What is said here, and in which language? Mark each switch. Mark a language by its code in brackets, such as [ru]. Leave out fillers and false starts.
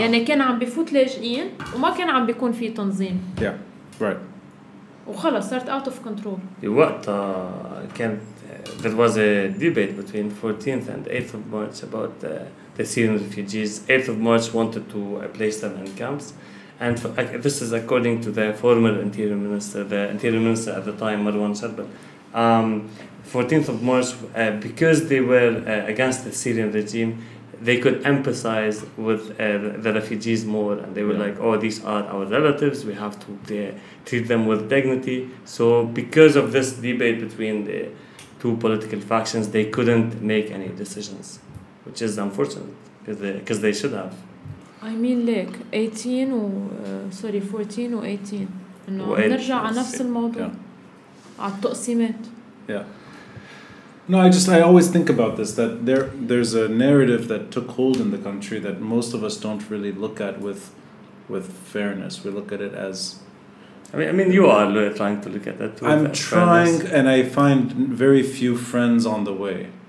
[ar] يعني كان عم بفوت لاجئين وما كان عم بيكون فيه تنظيم [en] yeah right [ar] وخلص صارت [en] out of control [ar] وقت كان [en] there was a debate between 14th and 8th of March about the Syrian refugees. 8th of March wanted to place them in camps. And this is according to the former interior minister, the interior minister at the time, Marwan Sharbel. 14th of March, because they were against the Syrian regime, they could empathize with the refugees more. And they were like, oh, these are our relatives. We have to treat them with dignity. So because of this debate between the two political factions, they couldn't make any decisions, which is unfortunate because they should have. I mean, like 18 و, sorry, 14 و 18. [ar] إنه نرجع على نفس الموضوع على التقسيمات. [en] Yeah. No, I always think about this that there's a narrative that took hold in the country that most of us don't really look at with fairness. We look at it as. I mean, you are trying to look at that too. I'm trying, and I find very few friends on the way.